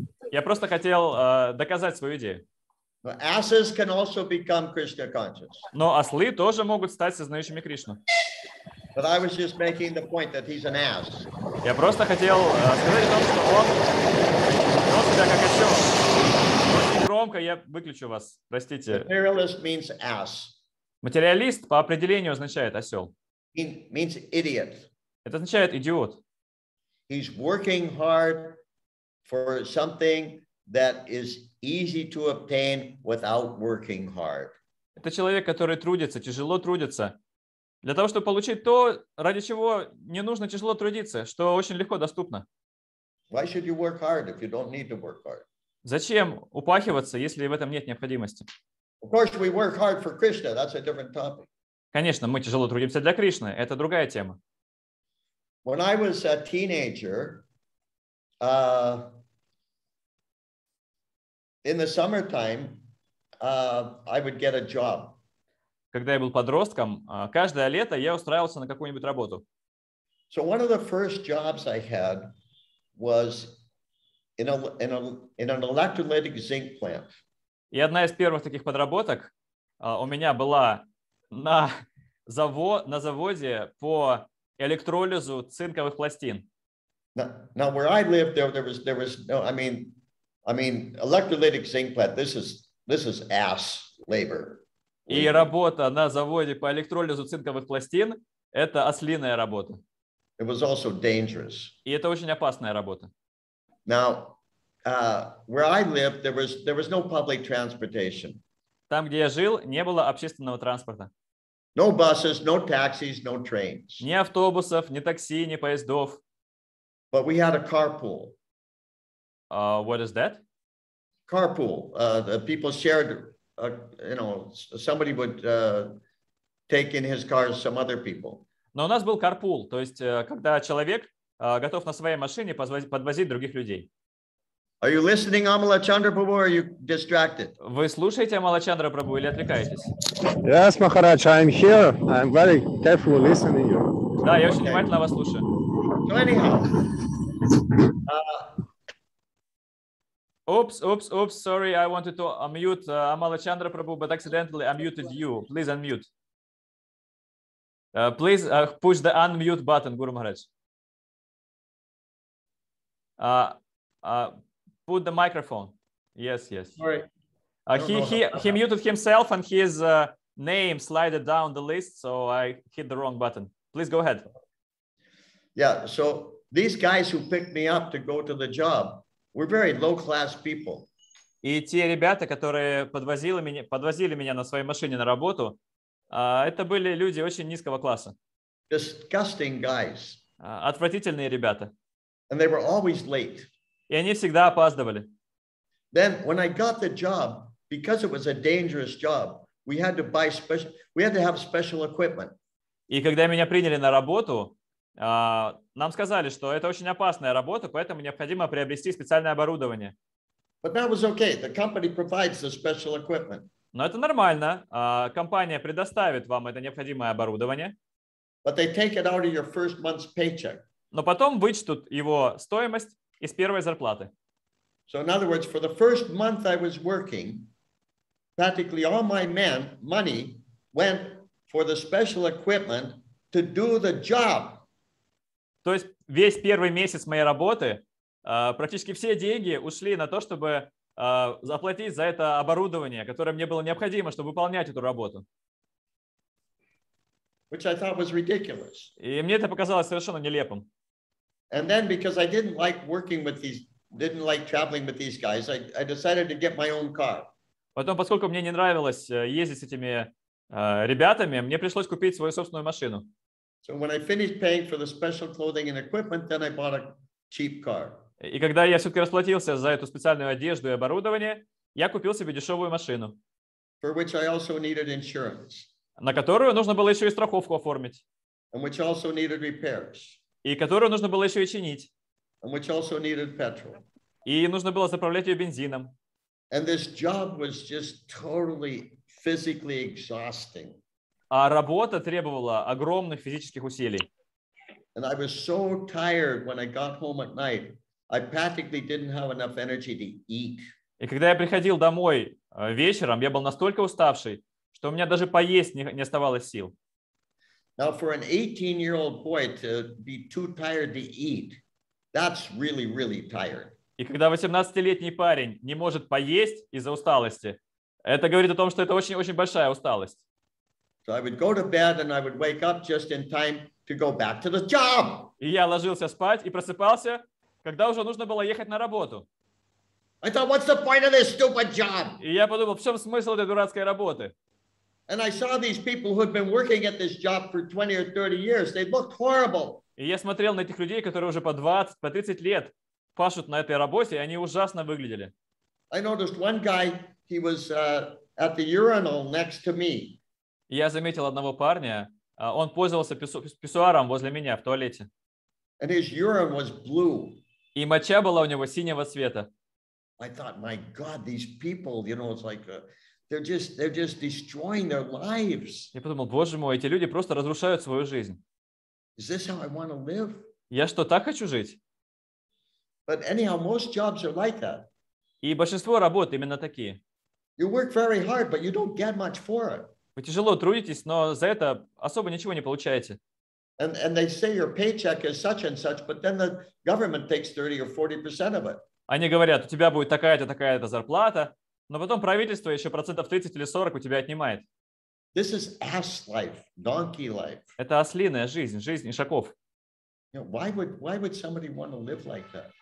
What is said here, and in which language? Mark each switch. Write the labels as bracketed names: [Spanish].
[Russian] Я просто хотел доказать свою идею. [English] Asses can also become Krishna conscious. [Russian] Но ослы тоже могут стать сознающими Кришну. [English] But I was just making the point that he's an ass. [Russian] Я просто хотел сказать о том, что он вел себя как осел. Очень громко, я выключу вас, простите. [English] Materialist means ass. [Russian] Материалист по определению означает осел. [English] It means idiot. [Russian] Это означает идиот. [English] He's working hard for something that is easy to obtain without working hard. [Russian] Это человек, который трудится, тяжело трудится. Для того, чтобы получить то, ради чего не нужно тяжело трудиться, что очень легко доступно. [English] Why should you work hard if you don't need to work hard? [Russian] Зачем упахиваться, если в этом нет необходимости? [English] Of course we work hard for Krishna. That's a different topic. [Russian] Конечно, мы тяжело трудимся для Кришны. Это другая тема. [English] When I was a teenager, in the summertime, I would get a job. [Russian] Когда я был подростком, каждое лето я устраивался на какую-нибудь работу. [English] So one of the first jobs I had was in an electrolytic zinc plant. [Russian] И одна из первых таких подработок у меня была на заводе по электролизу цинковых пластин. [English] Now where I lived there was no, I mean electrolytic zinc plant, this is ass labor. [Russian] И работа на заводе по электролизу цинковых пластин – это ослиная работа. [English] It was also dangerous. [Russian] И это очень опасная работа. [English] Now, where I lived, there was no public transportation. [Russian] Там, где я жил, не было общественного транспорта. [English] No buses, no taxis, no trains. [Russian] Ни автобусов, ни такси, ни поездов. [English] But we had a carpool. What is that? Carpool. The people shared. Somebody would take in his car some other people. [Russian] Но у нас был карпул, то есть когда человек готов на своей машине подвозить других людей. [English] Are you listening, Amala Chandra Prabhu, or are you distracted? [Russian] Вы слушаете Амала Чандра Прабу или отвлекаетесь? [English] Yes, Maharaj, I'm here. I'm very carefully listening to you. [Russian] Да, я очень внимательно вас слушаю. [English] Oops, sorry, I wanted to unmute Amala Chandra Prabhu, but accidentally I muted you. Please unmute. Please push the unmute button, Guru Maharaj. Put the microphone. Yes. Sorry. He muted himself and his name slided down the list, so I hit the wrong button. Please go ahead. Yeah, so these guys who picked me up to go to the job, we're very low-class people. [Russian] И те ребята, которые подвозили меня на своей машине на работу, это были люди очень низкого класса. [English] Disgusting guys. [Russian] Отвратительные ребята. [English] And they were always late. [Russian] И они всегда опаздывали. [English] Then when I got the job, because it was a dangerous job, we had to have special equipment. [Russian] И когда меня приняли на работу, нам сказали, что это очень опасная работа, поэтому необходимо приобрести специальное оборудование. [English] But that was okay. The company provides the special equipment. [Russian] Но это нормально. Компания предоставит вам это необходимое оборудование. [English] But they take it out of your first month's paycheck. [Russian] Но потом вычтут его стоимость из первой зарплаты. [English] So in other words, for the first month I was working, practically all my money went for the special equipment to do the job. [Russian] То есть весь первый месяц моей работы практически все деньги ушли на то, чтобы заплатить за это оборудование, которое мне было необходимо, чтобы выполнять эту работу. [English] Which I thought was ridiculous. [Russian] И мне это показалось совершенно нелепым. [English] And then because I didn't like working with these, didn't like traveling with these guys, I decided to get my own car. [Russian] Потом, поскольку мне не нравилось ездить с этими ребятами, мне пришлось купить свою собственную машину. [English] So when I finished paying for the special clothing and equipment, then I bought a cheap car. [Russian] И когда я все-таки расплатился за эту специальную одежду и оборудование, я купил себе дешевую машину. [English] For which I also needed insurance. [Russian] На которую нужно было еще и страховку оформить. [English] And which also needed repairs. [Russian] И которую нужно было еще и чинить. [English] And which also needed petrol. [Russian] И нужно было заправлять ее бензином. [English] And this job was just totally physically exhausting. [Russian] А работа требовала огромных физических усилий. [English] And I was so tired when I got home at night. I practically didn't have enough energy to eat. [Russian] И когда я приходил домой вечером, я был настолько уставший, что у меня даже поесть не оставалось сил. [English] Now for an 18-year-old boy to be too tired to eat, that's really, really tired. [Russian] И когда 18-летний парень не может поесть из-за усталости, это говорит о том, что это очень-очень большая усталость. [English] So I would go to bed and I would wake up just in time to go back to the job. [Russian] И я ложился спать и просыпался, когда уже нужно было ехать на работу. [English] I thought, what's the point of this stupid job? [Russian] И я подумал, в чем смысл этой дурацкой работы? [English] And I saw these people who had been working at this job for 20 or 30 years. They looked horrible. [Russian] И я смотрел на этих людей, которые уже по 20, по 30 лет пашут на этой работе, и они ужасно выглядели. [English] I noticed one guy, he was at the urinal next to me. [Russian] Я заметил одного парня, он пользовался писсуаром возле меня в туалете. [English] And his urine was blue. [Russian] И моча была у него синего цвета. [English] I thought, my God, these people, you know, it's like... They're just destroying their lives. [Russian] Я подумал, боже мой, эти люди просто разрушают свою жизнь. [English] Is this how I want to live? [Russian] Я что, так хочу жить? [English] But anyhow, most jobs are like that. [Russian] И большинство работ именно такие. [English] You work very hard, but you don't get much for it. [Russian] Вы тяжело трудитесь, но за это особо ничего не получаете. [English] And they say your paycheck is such and such, but then the government takes 30 or 40% of it. [Russian] Они говорят, у тебя будет такая-то зарплата. Но потом правительство еще процентов 30 или 40 у тебя отнимает. [English] This is ass life, donkey life. [Russian] Это ослиная жизнь, жизнь ишаков. [English] You know, why would somebody want to live like that?